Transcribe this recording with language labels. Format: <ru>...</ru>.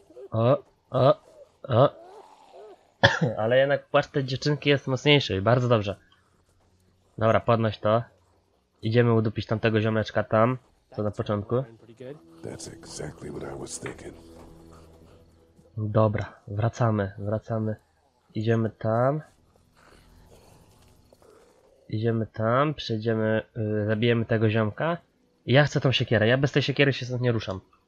<pl>O. Ale jednak płaszcz tej dziewczynki jest mocniejszy i bardzo dobrze. Dobra, podnoś to. Idziemy udupić tamtego ziomeczka tam. to na początku.</pl> <en>That's exactly what I was thinking.</en> <pl>Dobra, wracamy. Idziemy tam, przejdziemy, zabijemy tego ziomka. Ja chcę tą siekierę, ja bez tej siekiery się stąd nie ruszam.</pl>